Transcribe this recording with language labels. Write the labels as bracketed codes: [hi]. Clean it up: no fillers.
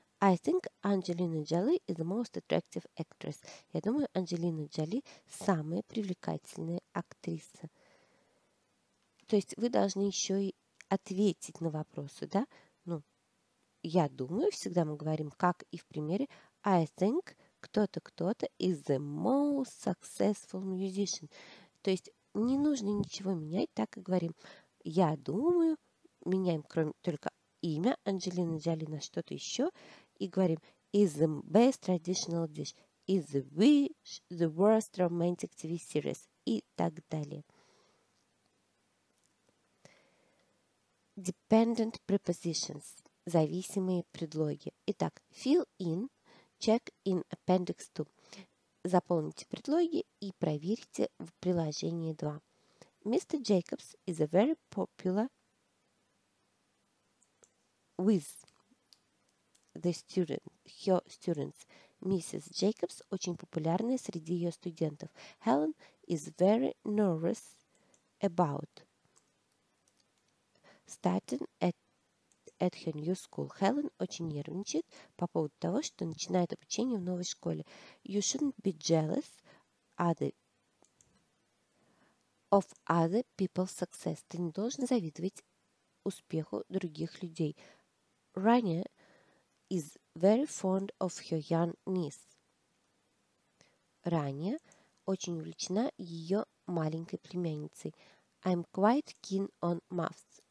[en] I think Angelina Jolie is the most attractive actress. [ru] Я думаю, Анджелина Джоли – самая привлекательная актриса. То есть вы должны еще и ответить на вопросы, да? Ну, я думаю, всегда мы говорим, как и в примере. [en] I think [ru] кто-то [en] is the most successful musician. [ru] То есть не нужно ничего менять, так и говорим. Я думаю, меняем кроме только имя Анджелины Джоли на что-то еще и говорим [en] is the best traditional dish, is the worst romantic TV series [ru] и так далее. [en] Dependent prepositions [ru] – зависимые предлоги. Итак, [en] fill in, check in appendix 2. [ru] Заполните предлоги и проверьте в приложении 2. [en] Mr. Jacobs is a very popular with the student, her students. Mrs. [ru] Jacobs очень популярная среди ее студентов. [en] Helen is very nervous about starting at her new school. [ru] Helen очень нервничает по поводу того, что начинает обучение в новой школе. [en] You shouldn't be jealous of other people's success. [ru] Ты не должен завидовать успеху других людей. [en] Rania is very fond of her young niece. [ru] Rania очень увлечена ее маленькой племянницей. [en] I'm quite keen on maths.